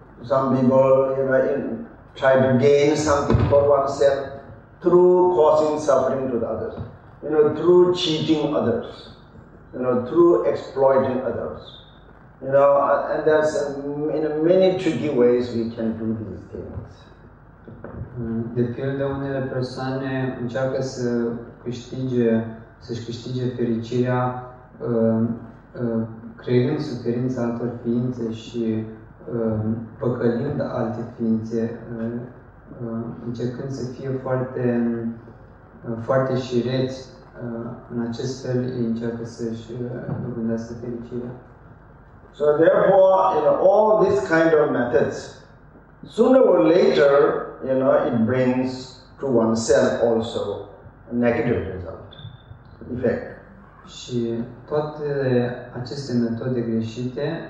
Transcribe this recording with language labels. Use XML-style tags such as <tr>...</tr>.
<en>Some people try to gain something for oneself through causing suffering to the others, you know, through cheating others, you know, through exploiting others. You know, and there's in many tricky ways we can do these things.</en> <ro>De pildă, unele persoane încearcă să-și câștige fericirea creând suferința altor ființe și păcălind alte ființe, încercând să fie foarte foarte șireți, în acest fel ei încearcă să-și dobândească fericirea.</ro> <en>So therefore, you know, all these kind of methods, sooner or later, you know, it brings to oneself also a negative result, effect.</en> <ro>Și toate aceste metode greșite</ro>